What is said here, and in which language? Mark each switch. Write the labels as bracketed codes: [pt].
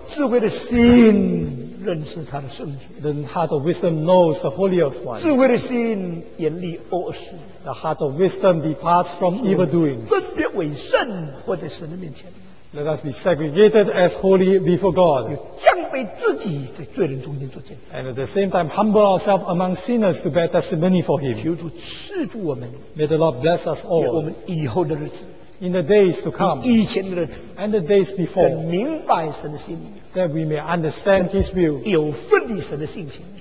[zh] 智慧的心认识他的圣洁。 [en] The heart of wisdom knows the holiest one. [zh] 智慧的心远离恶事。 [en] The heart of wisdom departs from evil doing. [zh] 分别为圣，活在神的面前。 [en] Let us be segregated as holy before God. [zh] 降卑自己，在罪人中间做见证。 [en] And at the same time, humble ourselves among sinners to bear testimony for Him. [zh] 求主赐福我们。 [en] May the Lord bless us all. [zh] 给我们以后的日子。 [en] In the days to come. [zh] 以前的日子。 [en] And the days before. [zh] 明白神的心。 [en] That we may understand His will. [zh] 有份于神的性情。